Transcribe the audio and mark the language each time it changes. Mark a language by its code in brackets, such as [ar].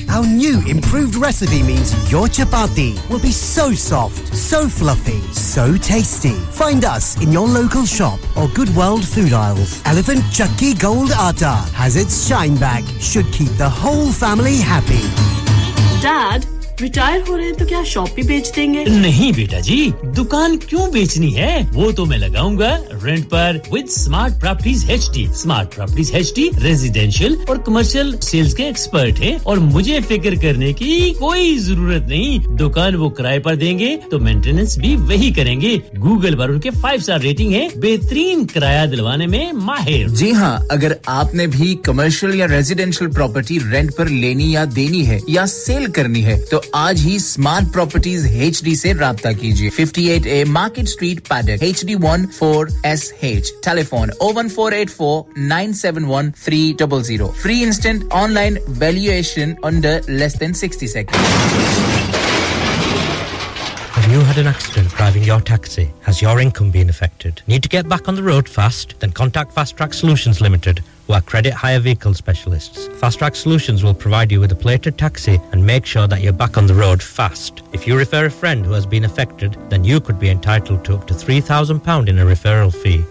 [en] Our new improved recipe means your chapati will be so soft, so fluffy, so tasty. Find us in your local shop or Good World Food Aisles. Elephant Chakki Gold Atta has its shine back. Should keep the whole family happy. [hi] Dad, retire हो रहे हैं तो क्या shop भी बेच देंगे? नहीं बेटा जी, दुकान क्यों बेचनी है? वो तो मैं लगाऊंगा रेंट पर with smart properties HD. Smart properties HD residential और कमर्शियल सेल्स के एक्सपर्ट हैं और मुझे फिक्र करने की कोई जरूरत नहीं. दुकान वो किराए पर देंगे तो मेंटेनेंस भी वही करेंगे. गूगल पर उनके 5 स्टार रेटिंग है, बेहतरीन किराया दिलवाने में माहिर. जी हां, अगर आपने भी कमर्शियल या रेजिडेंशियल प्रॉपर्टी रेंट पर लेनी या देनी है या सेल करनी है तो आज ही स्मार्ट प्रॉपर्टीज एचडी से राबता कीजिए. 58A market street paddock HD14SH. Telephone 01484971300. [en] Free instant online valuation under less than 60 second. You had an accident driving your taxi. Has your income been affected? Need to get back on the road fast? Then contact Fast Track Solutions Limited, who are credit hire vehicle specialists. Fast Track Solutions will provide you with a plated taxi and make sure that you're back on the road fast. If you refer a friend who has been affected, then you could be entitled to up to £3,000 in a referral fee.